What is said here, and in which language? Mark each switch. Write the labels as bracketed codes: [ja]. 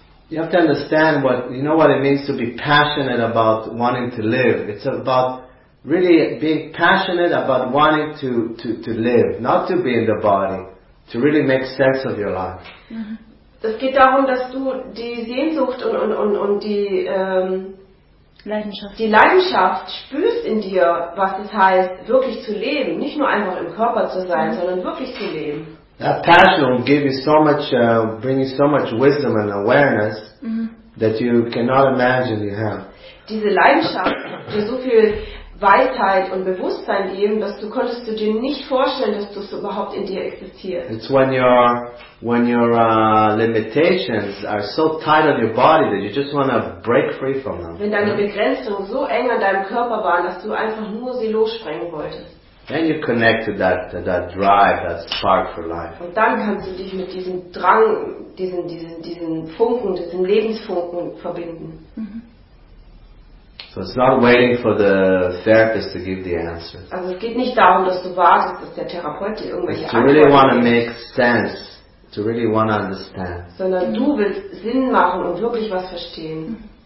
[en] You have to understand what it means to be passionate about wanting to live. It's about really being passionate about wanting to live, not to be in the body, to really make sense of your life. [de] Das geht darum, dass du die Sehnsucht und die Leidenschaft spürst in dir, was es heißt, wirklich zu leben, nicht nur einfach im Körper zu sein, sondern wirklich zu leben. [en] That passion will give you so much, bring you so much wisdom and awareness that you cannot imagine you have. [de] Diese Leidenschaft, die so viel Weisheit und Bewusstsein geben, dass du konntest du dir nicht vorstellen, dass das überhaupt in dir existiert. [en] It's when your limitations are so tight on your body that you just want to break free from them. [de] Wenn deine Begrenzungen so eng an deinem Körper waren, dass du einfach nur sie lossprengen wolltest. [en] Then you connect to that drive, that spark for life. [de] Und dann kannst du dich mit diesem Drang, diesen Funken, diesen Lebensfunken verbinden. [en] So it's not waiting for the therapist to give the answer. [de] Also es geht nicht darum, dass du wartest, dass der Therapeut dir irgendwelche Antworten gibt. [en] To really want to make sense, to really want to understand. [de] Sondern du willst Sinn machen und wirklich was verstehen.